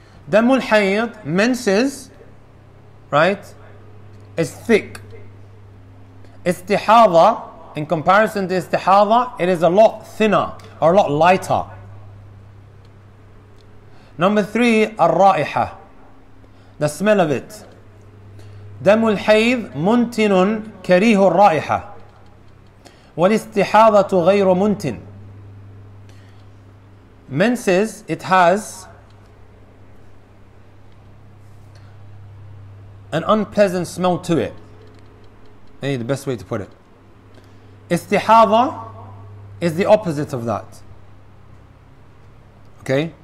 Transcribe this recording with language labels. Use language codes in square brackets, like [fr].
[ar] دَمُ الْحَيْضِ [en] Menses, right, is thick. Istihada, in comparison to istihada, it is a lot thinner or a lot lighter. Number three, [ar] الرائحة, [en] the smell of it. [ar] دم الحيض منتن كريه الرائحة والاستحاضة غير منتن. [en] Menses, it has an unpleasant smell to it. Maybe the best way to put it. Istihada is the opposite of that. Okay?